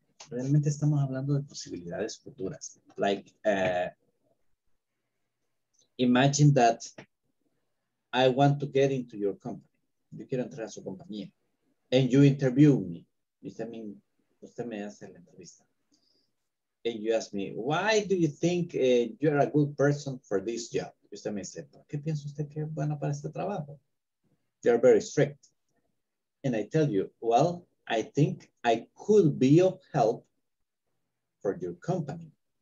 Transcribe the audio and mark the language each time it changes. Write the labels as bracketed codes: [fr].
[es] Realmente estamos hablando de posibilidades futuras. [en] Like, imagine that I want to get into your company. [es] Yo quiero entrar a su compañía. [en] And you interview me. [es] Usted me hace la entrevista. [en] And you ask me, why do you think you're a good person for this job? [es] Usted me dice, ¿por qué piensa usted que es bueno para este trabajo? [en] They're very strict. And I tell you, well, I think I could be of help for your company.